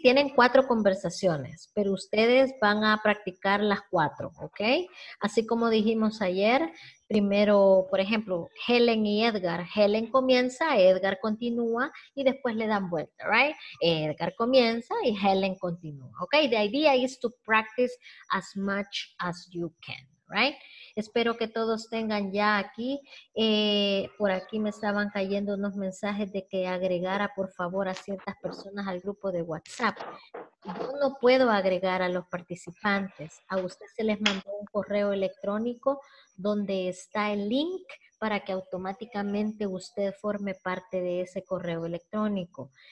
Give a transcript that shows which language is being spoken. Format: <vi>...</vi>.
<es>Tienen cuatro conversaciones, pero ustedes van a practicar las cuatro, okay? Así como dijimos ayer, primero, por ejemplo, Helen y Edgar. Helen comienza, Edgar continúa y después le dan vuelta, right? Edgar comienza y Helen continúa, okay?</es> <en>The idea is to practice as much as you can.</en> <es>Right? Espero que todos tengan ya aquí. Por aquí me estaban cayendo unos mensajes de que agregara, por favor, a ciertas personas al grupo de WhatsApp. Yo no puedo agregar a los participantes. A usted se les mandó un correo electrónico donde está el link para que automáticamente usted forme parte de ese correo electrónico.</es>